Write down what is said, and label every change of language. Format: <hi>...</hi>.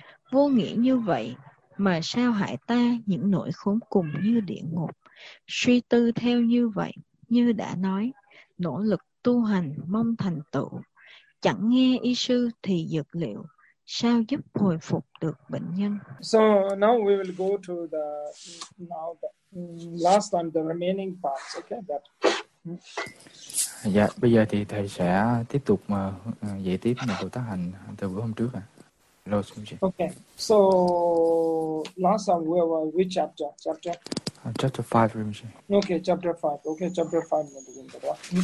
<vi>Vô nghĩa như vậy, mà sao hại ta những nỗi khốn cùng như địa ngục. Suy tư theo như vậy, như đã nói, nỗ lực tu hành mong thành tựu. Chẳng nghe y sư thì dược liệu, sao giúp hồi phục được bệnh nhân.</vi> <en>So now we will go to the now the last on the remaining parts, okay? That.</en> <vi>Dạ, bây giờ thì thầy sẽ tiếp tục mà dạy tiếp một câu tác hành từ bữa hôm trước ạ. Rồi xin chị.</vi> <en>Okay. So last time we were which chapter? Chapter chapter 5 room chị. Okay, chapter 5.</en> <vi>Okay, chapter 5 mình bắt đầu.</vi>